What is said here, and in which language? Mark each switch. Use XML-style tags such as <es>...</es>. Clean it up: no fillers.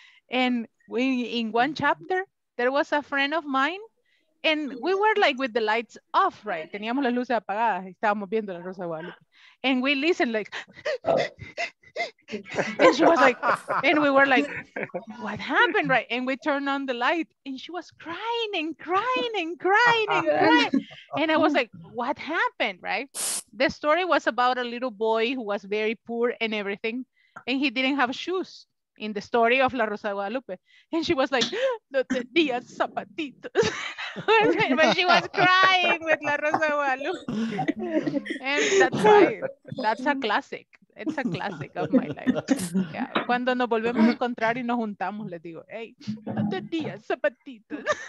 <en>And we, in one chapter, there was a friend of mine, and we were like with the lights off, right?</en> <es>Teníamos las luces apagadas, estábamos viendo La Rosa de Guadalupe.</es> <en>And we listened like... And she was like, and we were like, what happened, right? And we turned on the light, and she was crying and crying and crying and crying. And I was like, what happened, right? The story was about a little boy who was very poor and everything, and he didn't have shoes in the story of La Rosa de Guadalupe. And she was like,</en> <es>no tenía zapatitos.</es> <en>But she was crying with La Rosa de Guadalupe. And that's why, that's a classic. It's a classic of my life. Yeah.</en> <es>Cuando nos volvemos a encontrar y nos juntamos, les digo, hey, no tenía zapatitos.</es>